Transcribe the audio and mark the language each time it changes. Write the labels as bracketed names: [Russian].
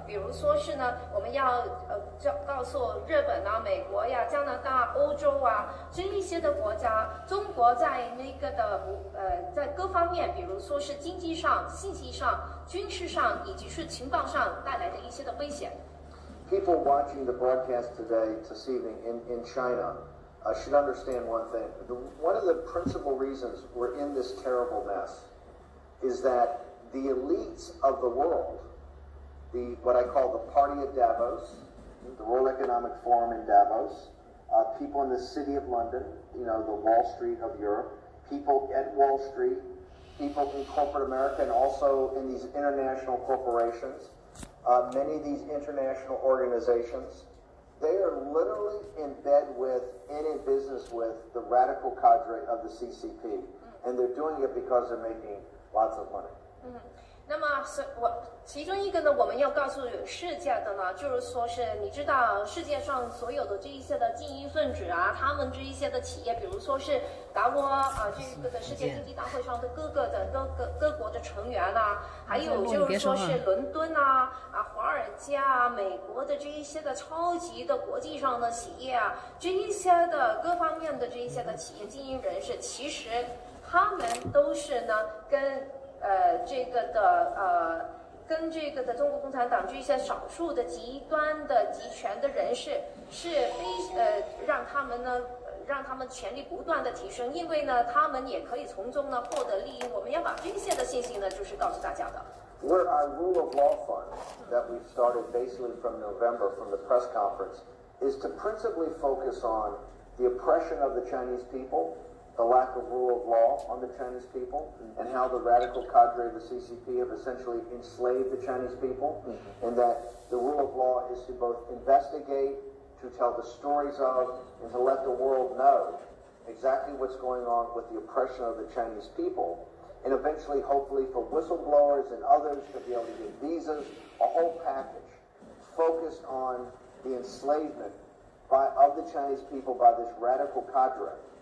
[Chinese] 比如说是呢，我们要告诉日本啊、美国呀、加拿大、欧洲啊这一些的国家，中国在那个的在各方面，比如说是经济上、信息上、军事上，以及是情报上带来的一些的威胁。 [English] People watching the broadcast today, this evening in China, should understand one thing. One of the principal reasons we're in this terrible mess is that the elites of the world, what I call the Party of Davos, the World Economic Forum in Davos, people in the City of London, you know, the Wall Street of Europe, people at Wall Street, people in corporate America, and also in these international corporations,many of these international organizations, they are literally in bed with and in business with the radical cadre of the CCP. And they're doing it because they're making lots of money. [Chinese] 那么是我其中一个呢，我们要告诉世界的呢，就是说是你知道世界上所有的这一些的精英分子啊，他们这一些的企业，比如说是达沃啊，这一个的世界经济大会上的各国的成员呐、啊，还有就是说是伦敦啊华尔街啊，美国的这一些的超级的国际上的企业啊，这一些的各方面的这一些的企业精英人士，其实他们都是呢跟。这个的跟这个的中国共产党这些少数的极端的集权的人士是非让他们呢让他们权力不断的提升，因为呢他们也可以从中呢获得利益。我们要把这些的信息呢就是告诉大家的。 [English] We're our rule of law fund that we started basically from November from the press conference is to principally focus on the oppression of the Chinese people. The lack of rule of law on the Chinese people, and how the radical cadre of the CCP have essentially enslaved the Chinese people, and that the rule of law is to both investigate, to tell the stories of, and to let the world know exactly what's going on with the oppression of the Chinese people, and eventually, hopefully, for whistleblowers and others to be able to get visas, a whole package focused on the enslavement of the Chinese people by this radical cadre.